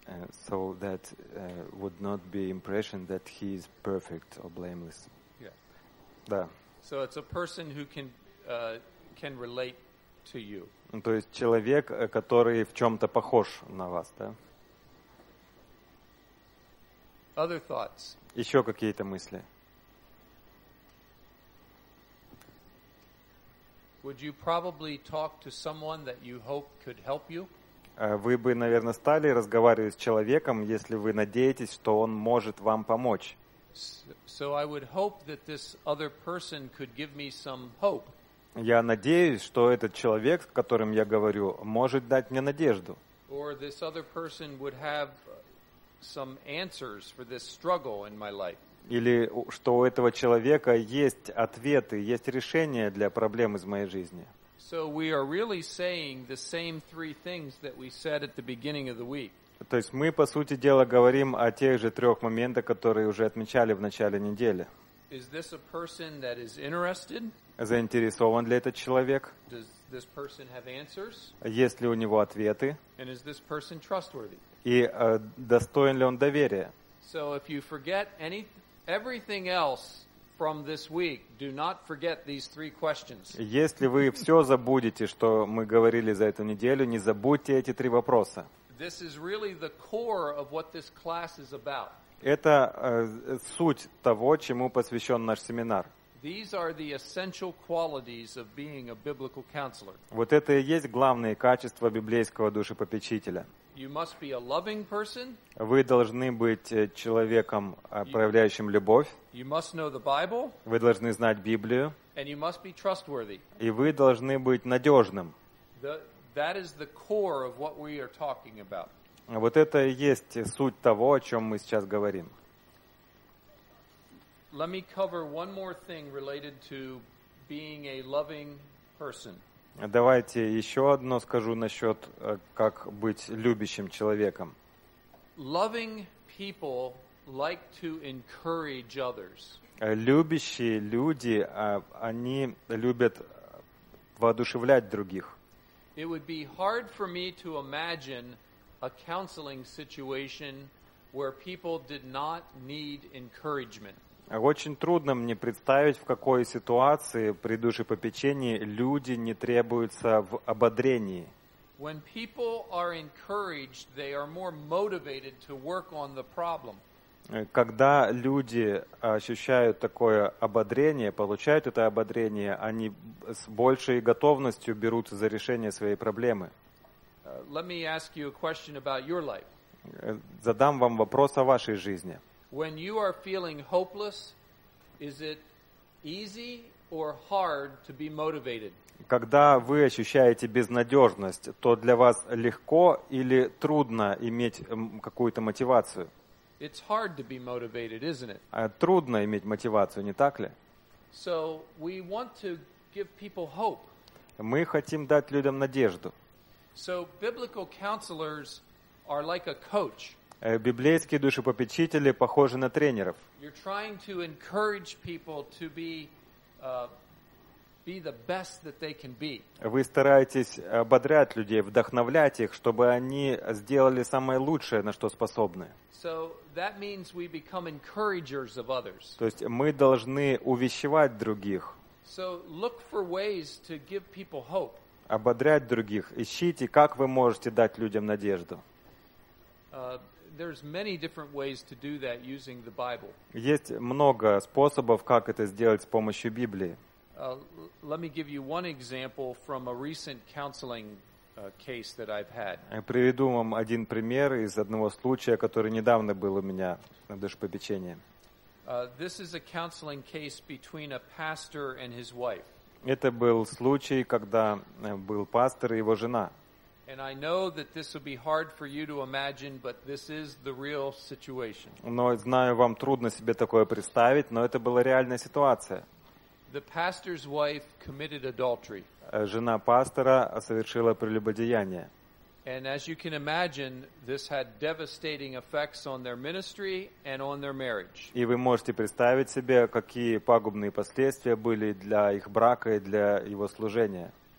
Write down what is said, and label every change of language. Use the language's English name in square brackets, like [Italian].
[English] So that would not be impression that he is perfect or blameless. Yeah. [Russian] Да. [English] So it's a person who can relate to you. [Russian] То есть человек, который в чём-то похож на вас, да? [English] Other thoughts. [Russian] Ещё какие-то мысли? [English] Would you probably talk to someone that you hope could help you? [Russian] Вы бы, наверное, стали разговаривать с человеком, если вы надеетесь, что он может вам помочь. [English] So I would hope that this other person could give me some hope. [Russian] Я надеюсь, что этот человек, с которым я говорю, может дать мне надежду. [English] Or this other person would have some answers for this struggle in my life. [Russian] Или что у этого человека есть ответы, есть решение для проблем из моей жизни. [English] So we are really saying the same three things that we said at the beginning of the week. [Russian] То есть мы, по сути дела, говорим о тех же трёх моментах, которые уже отмечали в начале недели. [English] Is this a person that is interested? [Russian] Заинтересован ли этот человек? [English] Does this person have answers? [Russian] Есть ли у него ответы? [English] And is this person trustworthy? [Russian] И достоин ли он доверия? [English] So if you forget everything else from this week, do not forget these three questions. [Russian] Если вы всё забудете, что мы говорили за эту неделю, не забудьте эти три вопроса. [English] This is really the core of what this class is about. [Russian] Это суть того, чему посвящён наш семинар. [English] These are the essential qualities of being a biblical counselor. [Russian] Вот это и есть главные качества библейского душепопечителя. [English] You must be a loving person. [Russian] Вы должны быть человеком, проявляющим любовь. [English] You must know the Bible. [Russian] Вы должны знать Библию. [English] And you must be trustworthy. [Russian] И вы должны быть надёжным. [English] That is the core of what we are talking about. [Russian] Вот это и есть суть того, о чём мы сейчас говорим. [English] Let me cover one more thing related to being a loving person. [Russian] Давайте еще одно скажу насчет, как быть любящим человеком. [English] Loving people like to encourage others. [Russian] Любящие люди, они любят воодушевлять других. [English] It would be hard for me to imagine a counseling situation where people did not need encouragement. [Russian] Очень трудно мне представить, в какой ситуации при душепопечении люди не требуются в ободрении. [English] When people are encouraged, they are more motivated to work on the problem. [Russian] Когда люди ощущают такое ободрение, получают это ободрение, они с большей готовностью берутся за решение своей проблемы. [English] Let me ask you a question about your life. [Russian] Задам вам вопрос о вашей жизни. [English] When you are feeling hopeless, is it easy or hard to be motivated? [Russian] Когда вы ощущаете безнадежность, то для вас легко или трудно иметь какую-то мотивацию? [English] It's hard to be motivated, isn't it? [Russian] Трудно иметь мотивацию, не так ли? [English] So we want to give people hope. [Russian] Мы хотим дать людям надежду. [English] So biblical counselors are like a coach. [Russian] Библейские душепопечители похожи на тренеров. [English] You're trying to encourage people to be the best that they can be. [Russian] Вы стараетесь ободрять людей, вдохновлять их, чтобы они сделали самое лучшее, на что способны. [English] So that means we become encouragers of others. [Russian] То есть мы должны увещевать других. [English] So look for ways to give people hope. [Russian] Ободрять других. Ищите, как вы можете дать людям надежду. [English] There's many different ways to do that using the Bible. [Russian] Есть много способов, как это сделать с помощью Библии. [English] Let me give you one example from a recent counseling case that I've had. [Russian] Приведу вам один пример из одного случая, который недавно был у меня на душепопечении. [English] This is a counseling case between a pastor and his wife. [Russian] Это был случай, когда был пастор и его жена. [English] And I know that this will be hard for you to imagine, but this is the real situation. [Russian] Но знаю, вам трудно себе такое представить, но это была реальная ситуация. [English] The pastor's wife committed adultery. [Russian] Жена пастора совершила прелюбодеяние. [English] And as you can imagine, this had devastating effects on their ministry and on their marriage. [Russian] И вы можете представить себе, какие пагубные последствия были для их брака и для его служения.